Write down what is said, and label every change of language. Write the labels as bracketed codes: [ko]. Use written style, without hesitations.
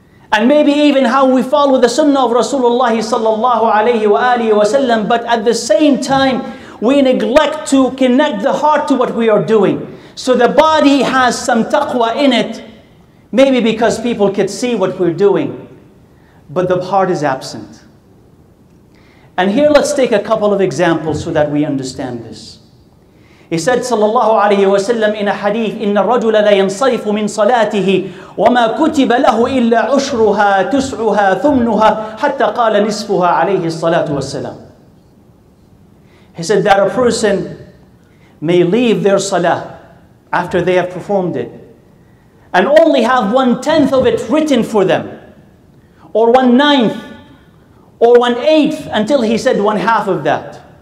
[en] And maybe even how we follow the sunnah of Rasulullah sallallahu alayhi wa alihi wa sallam, but at the same time, we neglect to connect the heart to what we are doing. So the body has some taqwa in it, maybe because people could see what we're doing, but the heart is absent. And here let's take a couple of examples so that we understand this. He said sallallahu alayhi wa sallam in a hadith, [ar] إِنَّ الرَّجُلَ لَيَنْصَرِفُ مِنْ صَلَاتِهِ وَمَا كُتِبَ لَهُ إِلَّا عُشْرُهَا تُسْعُهَا ثُمْنُهَا حَتَّى قَالَ نِصْفُهَا عَلَيْهِ الصَّلَاةُ وَالسَّلَامُ. [en] He said that a person may leave their salah after they have performed it and only have 1/10 of it written for them, or 1/9, or 1/8, until he said 1/2 of that.